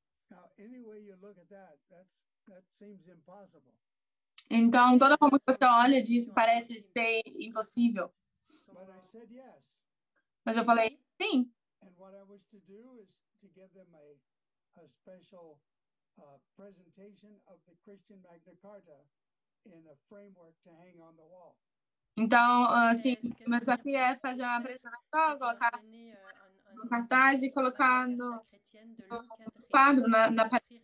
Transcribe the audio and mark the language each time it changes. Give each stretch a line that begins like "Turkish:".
English: Now, any way you look at that, that seems impossible.
Portuguese: Então, toda forma que você olha disso parece ser impossível.
English: But I said yes.
Portuguese: Mas eu falei sim.
English: And what I wish to do is to give them a special presentation of the Christian Magna Carta in a framework to hang on the wall.
Portuguese: Então, assim, meu desafio é fazer uma apresentação, colocar no cartaz e colocar no quadro, na parede.